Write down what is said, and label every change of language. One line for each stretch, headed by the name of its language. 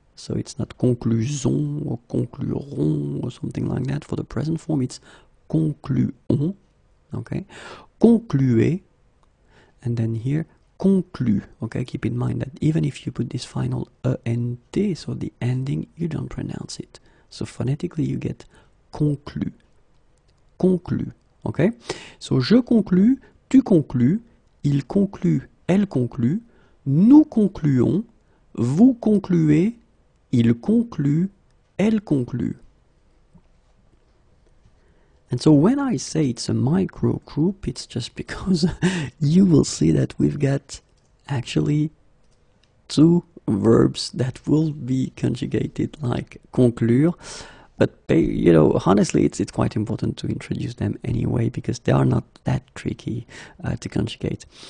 English: So it's not conclusion or concluron or something like that for the present form. It's concluon, okay? Conclué, and then here, conclu, okay? Keep in mind that even if you put this final ent, so the ending, you don't pronounce it. So phonetically, you get conclu, conclu, okay?
French: So je conclue, tu conclues, il conclut, elle conclut, nous concluons, vous concluez, il conclut, elle conclut.
English: And so when I say it's a micro group, it's just because you will see that we've got actually two verbs that will be conjugated like conclure. But you know, honestly, it's quite important to introduce them anyway because they are not that tricky to conjugate.